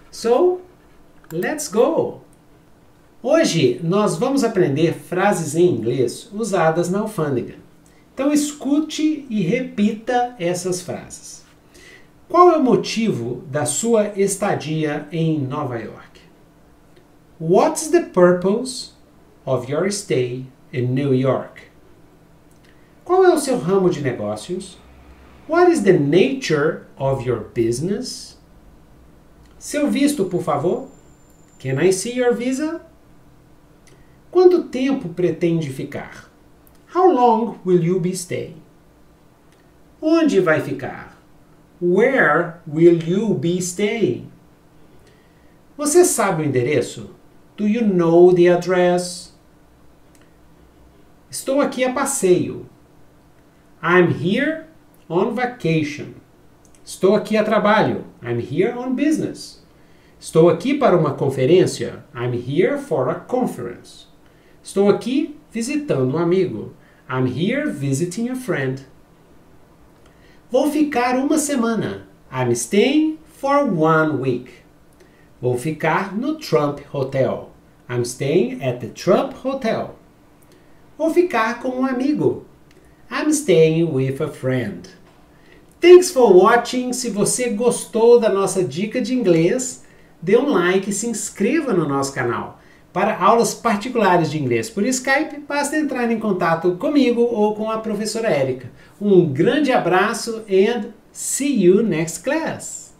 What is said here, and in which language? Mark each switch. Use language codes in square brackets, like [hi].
[en] So, let's go! [pt] Hoje nós vamos aprender frases em inglês usadas na alfândega. Então escute e repita essas frases. Qual é o motivo da sua estadia em Nova York? [en] What's the purpose of your stay in New York? [pt] Qual é o seu ramo de negócios? [en] What is the nature of your business? [pt] Seu visto, por favor? [en] Can I see your visa? [pt] Quanto tempo pretende ficar? [en] How long will you be staying? [pt] Onde vai ficar? [en] Where will you be staying? [pt] Você sabe o endereço? [en] Do you know the address? [pt] Estou aqui a passeio. [en] I'm here on vacation. [pt] Estou aqui a trabalho. [en] I'm here on business. [pt] Estou aqui para uma conferência. [en] I'm here for a conference. [pt] Estou aqui visitando um amigo. [en] I'm here visiting a friend. [pt] Vou ficar uma semana. [en] I'm staying for 1 week. [pt] Vou ficar no Trump Hotel. [en] I'm staying at the Trump Hotel. [pt] Vou ficar com um amigo. [en] I'm staying with a friend. Thanks for watching. [pt] Se você gostou da nossa dica de inglês, dê um like e se inscreva no nosso canal. Para aulas particulares de inglês por Skype, basta entrar em contato comigo ou com a professora Erica. Um grande abraço [en] and see you next class!